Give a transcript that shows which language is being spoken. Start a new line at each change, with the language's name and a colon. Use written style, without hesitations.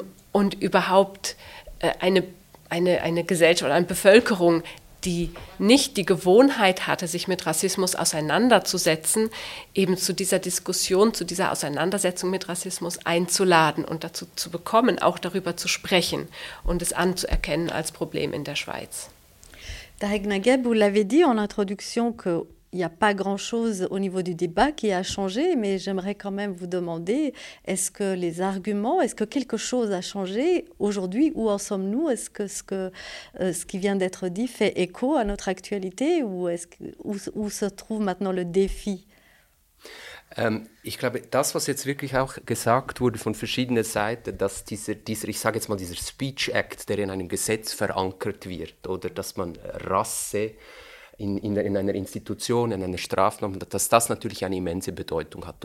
German: und überhaupt eine Gesellschaft oder eine Bevölkerung, die nicht die Gewohnheit hatte, sich mit Rassismus auseinanderzusetzen, eben zu dieser Diskussion, zu dieser Auseinandersetzung mit Rassismus einzuladen und dazu zu bekommen, auch darüber zu sprechen und es anzuerkennen als Problem in der Schweiz.
French: Tarek Naguib, vous l'avez dit en introduction qu'il n'y a pas grand-chose au niveau du débat qui a changé, mais j'aimerais quand même vous demander, est-ce que les arguments, est-ce que quelque chose a changé aujourd'hui? Où en sommes-nous? Est-ce que ce qui vient d'être dit fait écho à notre actualité ou où se trouve maintenant le défi?
German: Ich glaube, das, was jetzt wirklich auch gesagt wurde von verschiedenen Seiten, dass dieser ich sage jetzt mal, dieser Speech Act, der in einem Gesetz verankert wird, oder dass man Rasse in einer Institution, in einer Strafnorm, dass das natürlich eine immense Bedeutung hat.